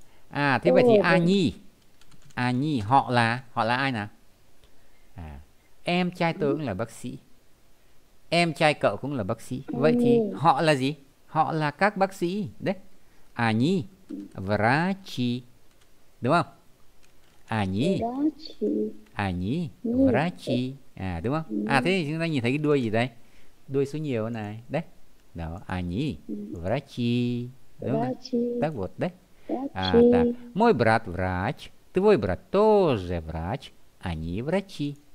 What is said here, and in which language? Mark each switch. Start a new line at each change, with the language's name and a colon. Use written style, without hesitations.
Vietnamese: Thế vậy thì они họ là ai nào? Em trai tôi cũng là bác sĩ, em trai cậu cũng là bác sĩ, vậy thì họ là gì? Họ là các bác sĩ đấy.
Russian: Они врачи,
Vietnamese: đúng không?
Russian: Они, они врачи,
Vietnamese: đúng không? Thế thì chúng ta nhìn thấy cái đuôi gì đây? Đuôi số nhiều này đấy, đó.
Russian: Они врачи,
Vietnamese: đúng không? Tác vụt đấy.
Russian: Так, мой брат врач, твой брат тоже врач, они врачи.